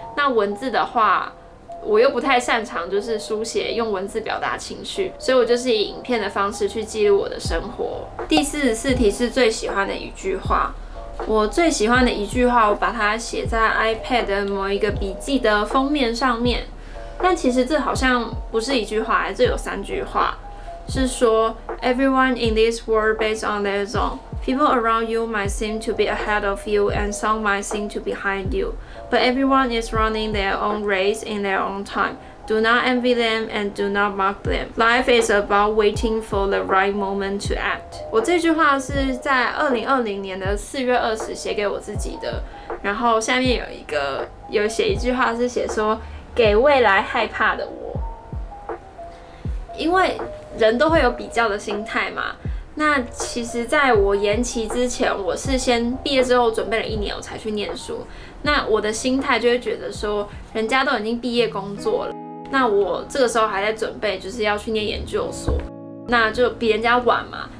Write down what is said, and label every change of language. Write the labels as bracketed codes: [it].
[zh] 那文字的话，我又不太擅长就是书写，用文字表达情绪，所以我就是以影片的方式去记录我的生活。第44题是最喜欢的一句话。我最喜欢的一句话，我把它写在 iPad 的某一个笔记的封面上面。但其实这好像不是一句话，这有3句话。是说 [en] everyone in this world based on their zone. People around you might seem to be ahead of you and some might seem to be behind you. But everyone is running their own race in their own time. Do not envy them and do not mock them. Life is about waiting for the right moment to act. [zh] 我这句话是在2020年的4月20写给我自己的。然后下面有写一句话是写说给未来害怕的我。因为人都会有比较的心态嘛，那其实在我延期之前，我是先毕业之后准备了一年我才去念书，那我的心态就会觉得说人家都已经毕业工作了，那我这个时候还在准备就是要去念研究所，那就比人家晚嘛。